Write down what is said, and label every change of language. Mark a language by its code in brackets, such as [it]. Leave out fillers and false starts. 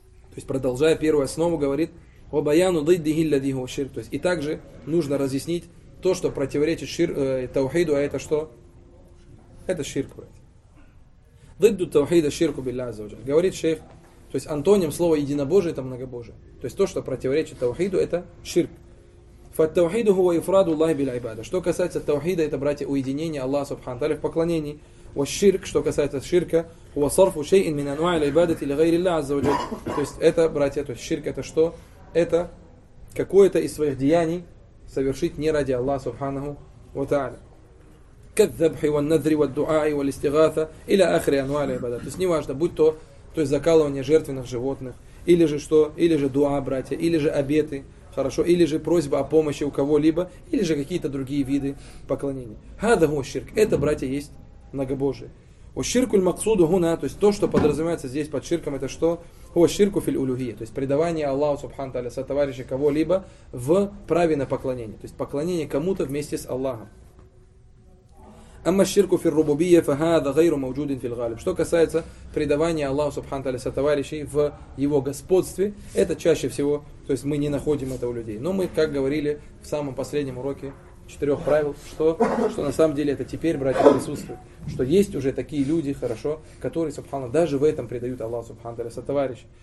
[ru] То есть, продолжая первую основу, говорит, [ar] وَبَيَانُ ضِدِّهِ الَّذِهُ وَشِرْكُ. [ru] То есть, и также нужно разъяснить то, что противоречит таухиду, а это что? Это ширк, братья. [ar] ضِدُّ التَّوْحِيدَ شِرْكُ بِاللَّهِ عَزَّ وَجَلَّ. [ru] Говорит шейх, то есть, антоним слова единобожие, это многобожие. То есть, то, что противоречит таухиду, это ширк. [ar] فالتوحيد هو إفراد الله بالعبادة. [ru] Что касается таухида, это, братья, уединение Аллаха Субхану Тааля в поклонении. [ar] والشرك, [ru] что касается ширка, [ar] هو صرف شيء من أنواع العبادة لغير الله عز وجل. [ru] То есть это, братья, то есть ширк, это что? Это какое-то из своих деяний совершить не ради Аллаха Субхану Тааля. [ar] كالذبح والنذر والدعاء والاستغاثة إلى آخر أنواع العبادة. [ru] То есть неважно, будь то, то есть закалывание жертвенных животных, или же что, или же дуа, братья, или же обеты. Хорошо, или же просьба о помощи у кого-либо, или же какие-то другие виды поклонения. [ar] هذا هو الشرك. [ru] Это, братья, есть многобожие. [ar] والشرك المقصود هنا, [ru] то есть то, что подразумевается здесь под ширком, это что? [ar] هو الشرك في الألوهية. [ru] То есть предавание Аллаху Субхану Тааля сотоварища кого-либо в праве на поклонение. То есть поклонение кому-то вместе с Аллахом. [ar] أما الشرك في الربوبية فهذا غير موجود في الغالب. [ru] Что касается предавания Аллаху Субхану Тааля сотоварищей в его господстве, это чаще всего, то есть мы не находим это у людей. Но мы, как говорили в самом последнем уроке, четырех правил, что на самом деле это теперь, братья, присутствует. Что есть уже такие люди, хорошо, которые, субханно, даже в этом предают Аллаху, субханно, для сотоварищей.